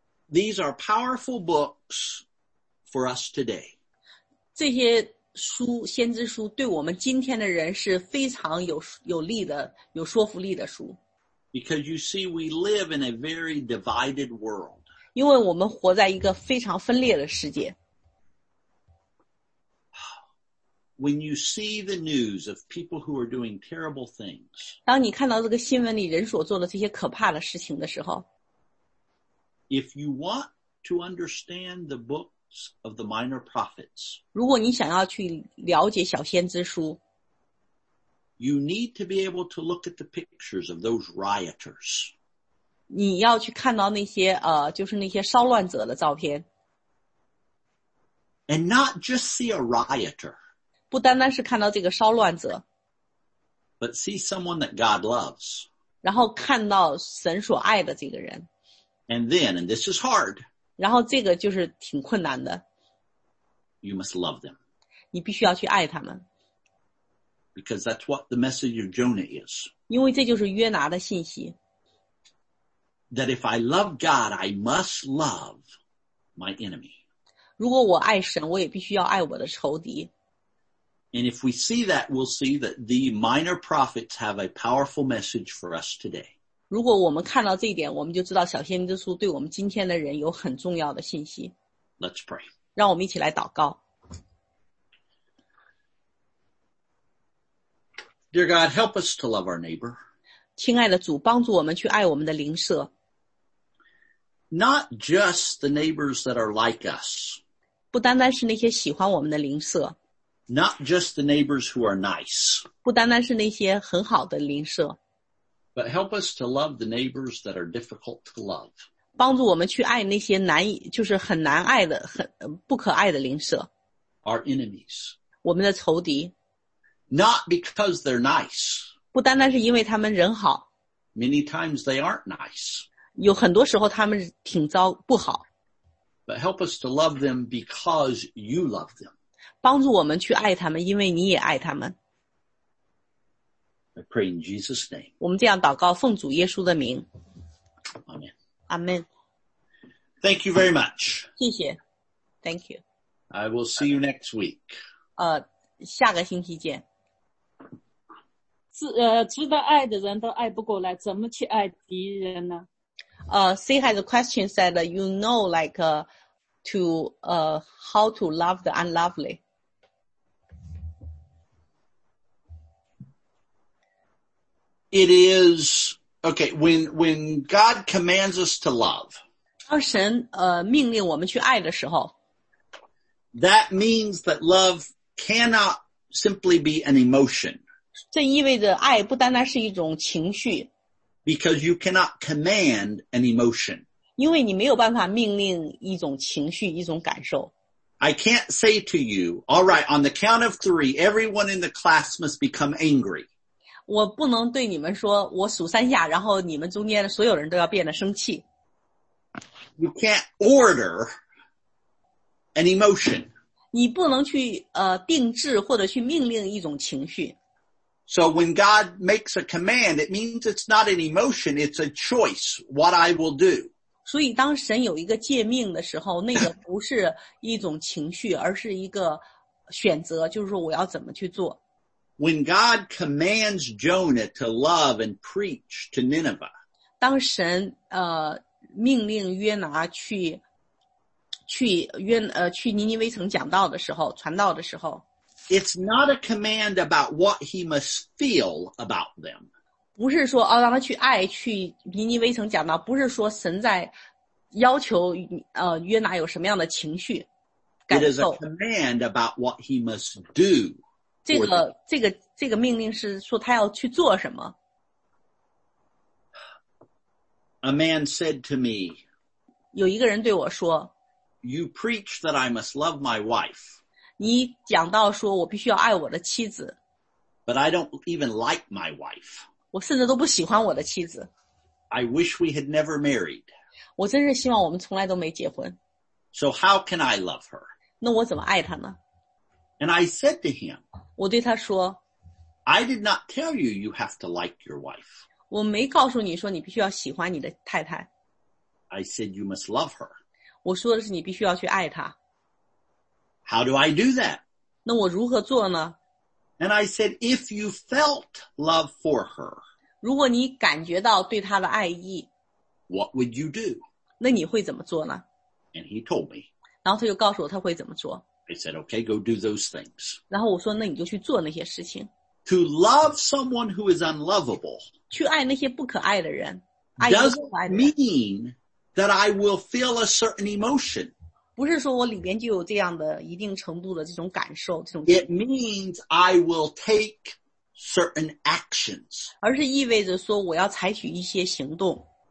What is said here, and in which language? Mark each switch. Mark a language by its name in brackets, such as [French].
[English] These are powerful books for us today. [Chinese] 这些书,先知书对我们今天的人是非常有力的,有说服力的书。 [English] Because you see, we live in a very divided world. [Chinese] 因为我们活在一个非常分裂的世界。 [English] When you see the news of people who are doing terrible things, [Chinese] 当你看到这个新闻里人所做的这些可怕的事情的时候, [English] if you want to understand the books of the minor prophets, [Chinese] 如果你想要去了解小先知书, [English] you need to be able to look at the pictures of those rioters. [Chinese] 你要去看到那些就是那些骚乱者的照片。 [English] And not just see a rioter. [Chinese] 不单单是看到这个骚乱者。 [English] But see someone that God loves. [Chinese] 然后看到神所爱的这个人。 [English] And then, and this is hard. [Chinese] 然后这个就是挺困难的。 [English] You must love them. [Chinese] 你必须要去爱他们。 [English] Because that's what the message of Jonah is. [Chinese] 因为这就是约拿的信息。 [English] That if I love God, I must love my enemy. [Chinese] 如果我爱神，我也必须要爱我的仇敌。 [English] And if we see that, we'll see that the minor prophets have a powerful message for us today. [Chinese] 如果我们看到这一点，我们就知道小先知书对我们今天的人有很重要的信息。 [English] Let's pray. [Chinese] 让我们一起来祷告。 [English] Dear God, help us to love our neighbor. [Chinese] 亲爱的主，帮助我们去爱我们的邻舍。 [English] Not just the neighbors that are like us. [Chinese] 不单单是那些喜欢我们的邻舍。 [English] Not just the neighbors who are nice. [Chinese] 不单单是那些很好的邻舍。 [English] But help us to love the neighbors that are difficult to love. [Chinese] 帮助我们去爱那些难，就是很难爱的，很不可爱的邻舍。 [English] Our enemies. [Chinese] 我们的仇敌。 [English] Not because they're nice. [Chinese] 不单单是因为他们人好。 [English] Many times they aren't nice. [Chinese] 有很多时候他们挺糟，不好。 [English] But help us to love them because you love them. [Chinese] 帮助我们去爱他们，因为你也爱他们。 [English] I pray in Jesus' name. [Chinese] 我们这样祷告，奉主耶稣的名。 [English] Amen. [Chinese] Amen. [English] Thank you very much. [Chinese] 谢谢。 [English] Thank you. I will see you next week. [Chinese] 下个星期见。值得爱的人都爱不过来，怎么去爱敌人呢？ [English] C has a question said, you know, like, how to love the unlovely. It is, okay, when God commands us to love. [Chinese] 当神命令我们去爱的时候。 [English] That means that love cannot simply be an emotion. [Chinese] 这意味着爱不单单是一种情绪。 [English] Because you cannot command an emotion. [Chinese] 因为你没有办法命令一种情绪，一种感受。 [English] I can't say to you, all right, on the count of three, everyone in the class must become angry. [Chinese] 我不能对你们说我数三下然后你们中间的所有人都要变得生气。 [English] You can't order an emotion. [Chinese] 你不能去定制或者去命令一种情绪。 [English] So when God makes a command, it means it's not an emotion, it's a choice, what I will do. [Chinese] 所以当神有一个诫命的时候那个不是一种情绪而是一个选择就是说我要怎么去做。 [English] When God commands Jonah to love and preach to Nineveh, [Chinese] 当神命令约拿去尼尼微城讲道的时候，传道的时候 [English] ，It's not a command about what he must feel about them. [Chinese] 不是说哦让他去爱去尼尼微城讲道，不是说神在要求约拿有什么样的情绪感受。 [English] It is a command about what he must do. [Chinese] 这个这个命令是说他要去做什么。 [English] A man said to me, [Chinese] 有一个人对我说, [English] You preach that I must love my wife. [Chinese] 你讲到说我必须要爱我的妻子。 [English] But I don't even like my wife. [Chinese] 我甚至都不喜欢我的妻子。 [English] I wish we had never married. [Chinese] 我真是希望我们从来都没结婚。 [English] So how can I love her? [Chinese] 那我怎么爱她呢? [English] And I said to him, [Chinese] 我对他说, [English] I did not tell you you have to like your wife. [Chinese] 我没告诉你说你必须要喜欢你的太太。 [English] I said you must love her. [Chinese] 我说的是你必须要去爱她。 [English] How do I do that? [Chinese] 那我如何做呢? [English] And I said if you felt love for her, [Chinese] 如果你感觉到对他的爱意 [English] What would you do? [Chinese] 那你会怎么做呢 [English] And he told me. [Chinese] 然后他就告诉我他会怎么做 [English] I said, okay, go do those things. [Chinese] 然后我说那你就去做那些事情 [English] To love someone who is unlovable [Chinese] 去爱那些不可爱的人 [English] doesn't mean that I will feel a certain emotion. [Chinese] 不是说我里边就有这样的一定程度的这种感受这种 [English] It means I will takeCertain actions. [Chinese] 而是意味着说我要采取一些行动。